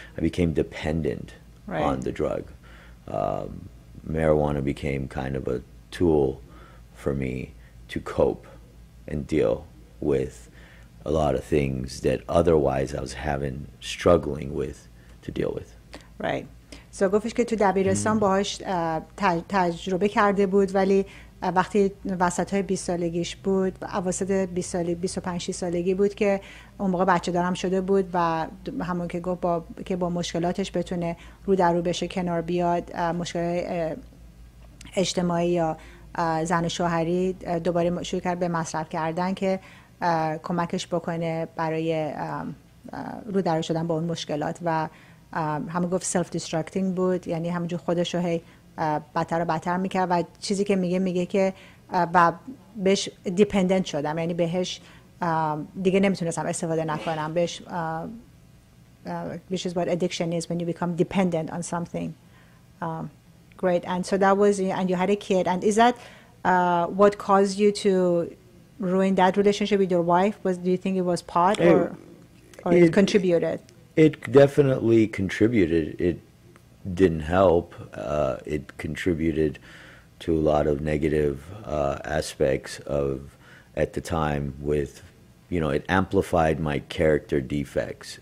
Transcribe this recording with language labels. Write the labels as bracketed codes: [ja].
[en] I became dependent right. on the drug. Marijuana became kind of a tool for me to cope and deal with a lot of things that otherwise I was having struggling with to deal with. Right. [fa] So گفتش که تو دبیرستان باهاش تجربه کرده بود ولی وقتی وسط های 20 سالگیش بود، اواسط 25-6 سالگی بود که اون موقع بچه دارم شده بود و همون که گفت که با مشکلاتش بتونه رو در رو بشه، کنار بیاد، مشکل اجتماعی یا زن و شوهری، دوباره شروع کرد به مصرف کردن که کمکش بکنه برای رو در رو شدن با اون مشکلات و همون گفت سلف دیسترکتینگ بود، یعنی همونجور خودش رو هی بدتر و بدتر میکرد و چیزی که میگه که بهش دیپندنت شدم، یعنی بهش دیگه نمیتونستم استفاده نکنم، بهش [en] which is what addiction is when you become dependent on something. Great. And so that was, and you had a kid, and is that what caused you to ruin that relationship with your wife? Was, do you think it was pot or it contributed? It definitely contributed. It didn't help. It contributed to a lot of negative aspects of at the time with, you know, it amplified my character defects.